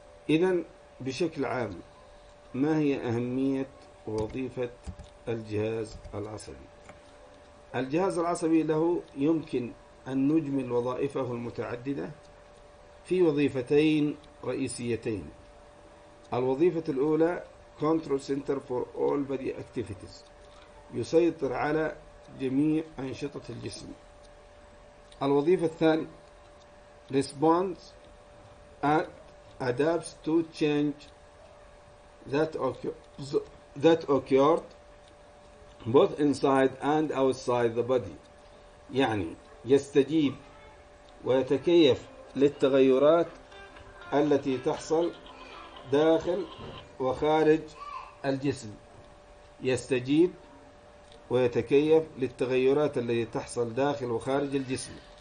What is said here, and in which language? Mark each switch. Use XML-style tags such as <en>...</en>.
<ar>إذن بشكل عام، ما هي أهمية وظيفة الجهاز العصبي؟ الجهاز العصبي له يمكن أن نجمل وظائفه المتعددة في وظيفتين رئيسيتين. الوظيفة الأولى</ar> <en>Control Center for All Body Activities،</en> <ar>يسيطر على جميع أنشطة الجسم. الوظيفة الثانية</ar> <en>Responds and adapts to change that occurred both inside and outside the body،</en> <ar>يعني يستجيب ويتكيف للتغيرات التي تحصل داخل وخارج الجسم. يستجيب ويتكيف للتغيرات التي تحصل داخل وخارج الجسم.</ar>